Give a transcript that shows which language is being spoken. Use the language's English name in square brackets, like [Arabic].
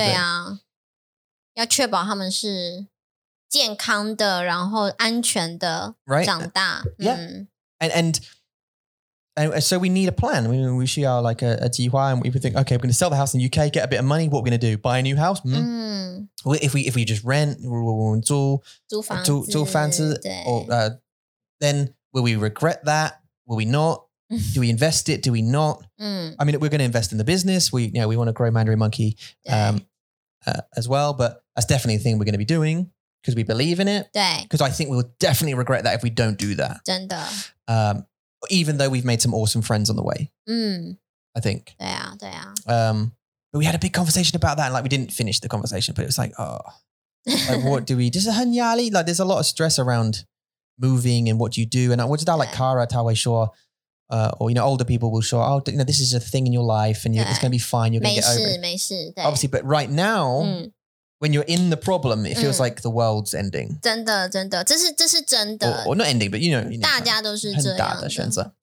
[Chinese] 对啊, 要确保他们是健康的,然后安全的, [English] right? [Chinese] 长大。 [English] Yeah. And so we need a plan. We should have like a 计划 and we think, okay, we're going to sell the house in the UK, get a bit of money. What are we going to do? Buy a new house? If we just rent, [Chinese] 租房子, [English] or, then will we regret that? Will we not? Do we invest it? Do we not? I mean, we're going to invest in the business. We, you know, we want to grow Mandarin Monkey as well, but that's definitely the thing we're going to be doing. because we believe in it. [Chinese] 对. [English] Because I think we'll definitely regret that if we don't do that. [Chinese] 真的. [English] Even though we've made some awesome friends on the way. [Chinese] 嗯. [English] I think. [Chinese] 对啊,对啊. [English] But we had a big conversation about that and like we didn't finish the conversation, but it was like, oh, like what do we, just a hun yali? Like there's a lot of stress around moving and what do you do? And what's that like Kara, Tawei Shaw, or, you know, older people will show, oh, you know, this is a thing in your life and it's going to be fine. You're going to get over it. [Chinese] 没事,没事, [English] obviously, but right now, when you're in the problem, it feels like the world's ending. [Chinese] 真的,真的,这是,这是真的。 [English] Or not ending, but you know, [Chinese] 大家都是这样的。很大的选择。